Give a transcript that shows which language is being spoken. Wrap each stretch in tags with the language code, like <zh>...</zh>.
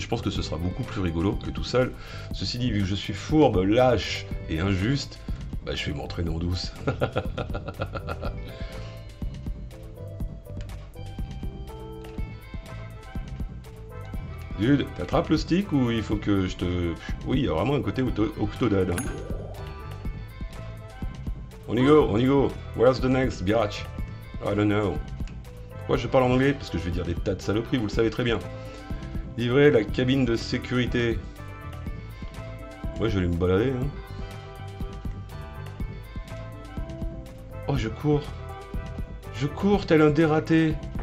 <fr>Je pense que ce sera beaucoup plus rigolo que tout seul. Ceci dit, vu que je suis fourbe, lâche et injuste, bah je vais m'entraîner en douce. Dude, t'attrapes le stick ou il faut que je te... Oui, il y a vraiment un côté Octodad. Hein. On y</fr> <en>go, where's the next, biatch? I don't know.</en> <fr>Pourquoi je parle en anglais? Parce que je vais dire des tas de saloperies, vous le savez très bien. Livrer la cabine de sécurité. Moi, je vais aller me balader. Hein. Oh, je cours. Je cours tel un dé raté.</fr>